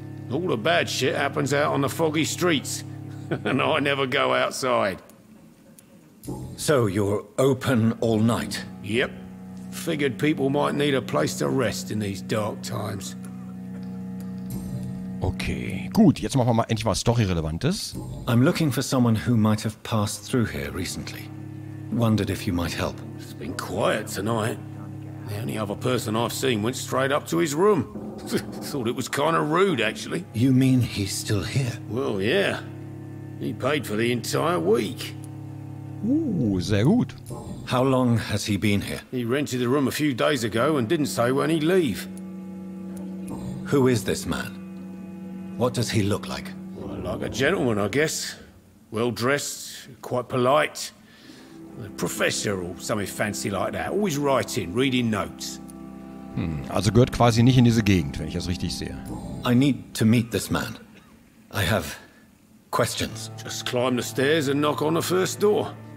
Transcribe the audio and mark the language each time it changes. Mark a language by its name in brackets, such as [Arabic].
[English] All the bad shit happens out on the foggy streets. And I never go outside. So you're open all night? Yep. Figured people might need a place to rest in these dark times. [German] Okay, gut, jetzt machen wir mal endlich was Story-Relevantes. [English] I'm looking for someone who might have passed through here recently. Wondered if you might help. It's been quiet tonight. The only other person I've seen went straight up to his room. Thought it was kind of rude, actually. You mean he's still here? Well, yeah. He paid for the entire week. [German] Ooh, sehr gut. [English] How long has he been here? He rented the room a few days ago and didn't say when he'd leave. Who is this man? What does he look like? Well, like a gentleman, I guess. Well-dressed, quite polite. A professor or something fancy like that. Always writing, reading notes. [German] Also gehört quasi nicht in diese Gegend, wenn ich das richtig sehe. [English] I need to meet this man. I have questions. Just climb the stairs and knock on the first door.